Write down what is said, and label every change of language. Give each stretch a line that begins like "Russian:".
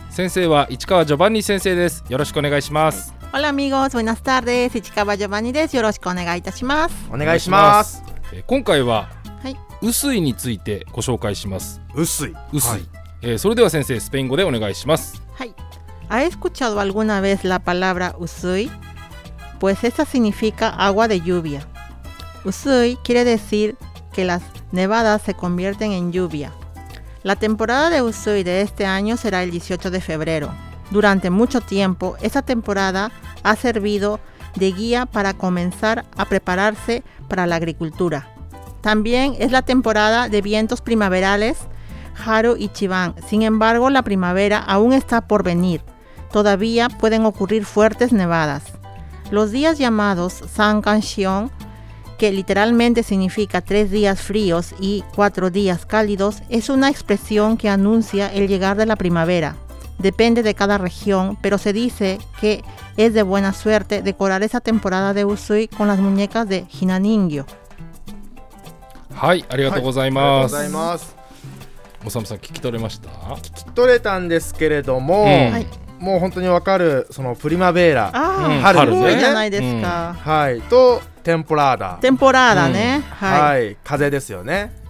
Japanese: 先生は市川ジョバンニ先生です。よろしくお願いします。ホラミゴスブナスターです。市川ジョバンニです。よろしくお願いいたします。お願いします。今回は雨水についてご紹介します。雨水、雨水、はい、それでは先生スペイン語でお願いします。はい。
Spanish: ¿Ha escuchado alguna vez la palabra usui? Pues esa significa agua de lluvia. Usui quiere decir que las nevadas se convierten en lluvia. La temporada de usui de este año será el 18 de febrero. Durante mucho tiempo, esa temporada ha servido de guía para comenzar a prepararse para la agricultura. También es la temporada de vientos primaverales, haru y chiván. Sin embargo, la primavera aún está por venir. Todavía pueden ocurrir fuertes nevadas. Los días llamados Sankanshion, que literalmente significa tres días fríos y cuatro días cálidos, es una expresión que anuncia el llegar de la primavera. Depende de cada región, pero se dice que es de buena suerte decorar esa temporada de Usui con las muñecas de Hinaningyo.
Japanese: はい、ありがとうございます。ありがとうございます。おさむさん、聞き取れました？聞き取れたんですけれども、うん、はい、もう本当に分かる、そのプリマベーラ、あー、春、ね、すごいじゃないですか、うん、はい、とテンポラーダ、テンポラーダね、うん、はい、はい、風ですよね。